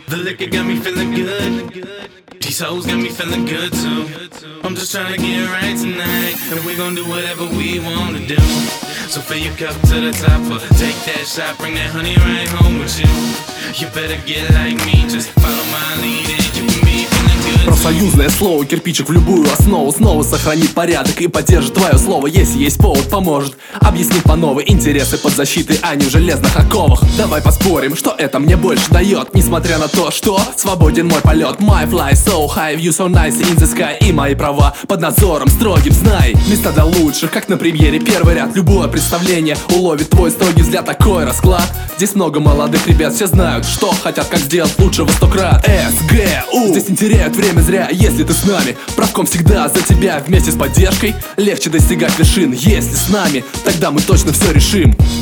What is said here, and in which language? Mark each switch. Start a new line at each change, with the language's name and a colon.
English: The liquor got me feeling good. These hoes got me feeling good too. I'm just trying to get right tonight, and we gon' do whatever we wanna do. So fill your cup to the top, or take that shot, bring that honey right home with you. You better get like me, just follow my lead and you.
Russian: Союзное слово, кирпичик в любую основу. Снова сохранит порядок и поддержит твое слово. Если есть повод, поможет объяснить по-новой. Интересы под защитой, а не в железных оковах. Давай поспорим, что это мне больше дает. Несмотря на то, что свободен мой полет.
English: My fly so high, you so nice in the sky.
Russian: И мои права под надзором строгим, знай. Места для лучших, как на премьере. Первый ряд, любое представление уловит твой строгий взгляд. Такой расклад. Здесь много молодых ребят, все знают, что хотят, как сделать лучше во 100 крат. SGU, здесь не теряют время зря, если ты с нами. Правком всегда за тебя, вместе с поддержкой легче достигать вершин. Если с нами, тогда мы точно все решим.